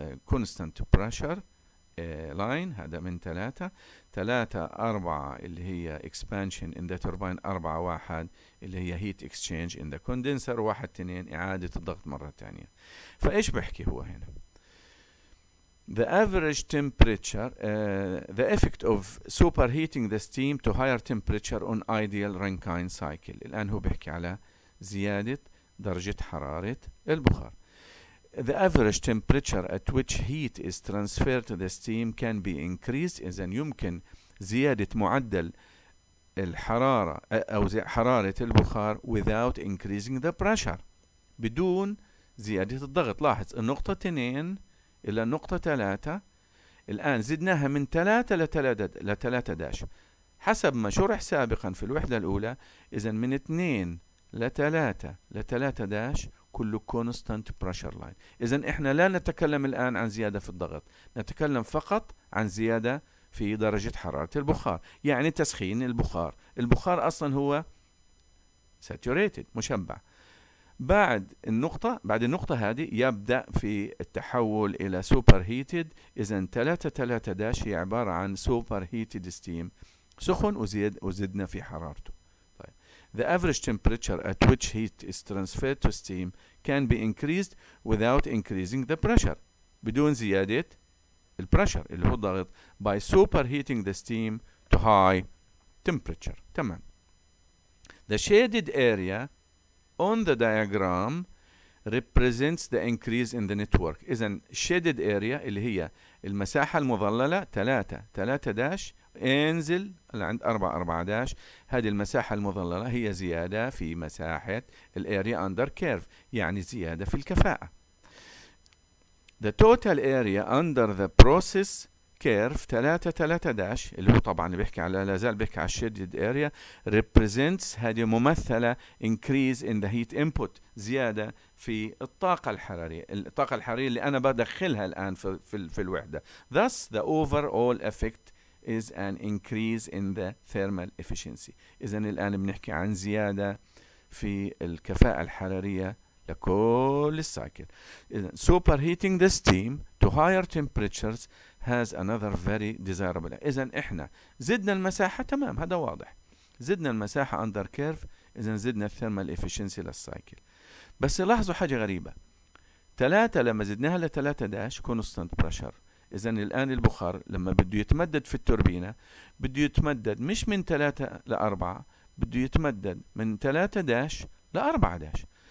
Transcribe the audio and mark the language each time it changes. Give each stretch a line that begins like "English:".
English: constant pressure line،
Arabic: هذا من 3 3 4 اللي هي
English: expansion in the turbine، 4 1 اللي هي heat exchange in the condenser، 1 2
Arabic: إعادة الضغط مرة تانية. فإيش بحكي هو هنا؟
English: The average temperature, the effect of superheating the steam to higher temperature on ideal Rankine cycle.
Arabic: الآن هو بيحكي على زيادة درجة حرارة البخار.
English: The average temperature at which heat is transferred to the steam can be increased.
Arabic: إذن يمكن زيادة معدل الحرارة أو حرارة البخار
English: without increasing the pressure.
Arabic: بدون زيادة الضغط. لاحظ النقطة 2 إلى نقطة 3، الآن زدناها من 3 إلى 3 داش، حسب ما شرح سابقا في الوحدة الأولى، إذن من 2 إلى 3 إلى 3 داش كله constant pressure line. إذن إحنا لا نتكلم الآن عن زيادة في الضغط، نتكلم فقط عن زيادة في درجة حرارة البخار، يعني تسخين البخار. البخار أصلا هو saturated، مشبع. بعد النقطة، بعد النقطة هذه يبدأ في التحول إلى superheated. إذن 3-3 داش هي عبارة عن superheated steam، سخن وزيدنا في حرارته. طيب.
English: The average temperature at which heat is transferred to steam can be increased without increasing the pressure.
Arabic: بدون زيادة البرشر اللي هو الضغط
English: by superheating the steam to high temperature.
Arabic: تمام.
English: The shaded area on the diagram represents the increase in the network.
Arabic: إذن shaded area اللي هي المساحة المظللة 3 داش انزل عند 4 داش. هذه المساحة المظللة هي زيادة في مساحة area under curve، يعني زيادة في الكفاءة.
English: The total area under the process curve
Arabic: 3 داش اللي هو طبعا بيحكي على لازال بيحكي على shaded area represents هذه ممثلة
English: increase in the heat input
Arabic: زيادة في الطاقة الحرارية، الطاقة الحرارية اللي أنا بدخلها الآن في الوحدة.
English: Thus the overall effect is an increase in the thermal efficiency.
Arabic: إذن الآن بنحكي عن زيادة في الكفاءة الحرارية لكل السايكل.
English: Superheating the steam to higher temperatures has another very desirable.
Arabic: إذن إحنا زدنا المساحة، تمام هذا واضح، زدنا المساحة under curve، إذن زدنا thermal efficiency للسايكل. بس لاحظوا حاجة غريبة، 3 لما زدناها ل 3 داش constant pressure، إذن الآن البخار لما بده يتمدد في التوربينة بده يتمدد مش من 3 ل 4، بده يتمدد من 3 داش ل 4 داش.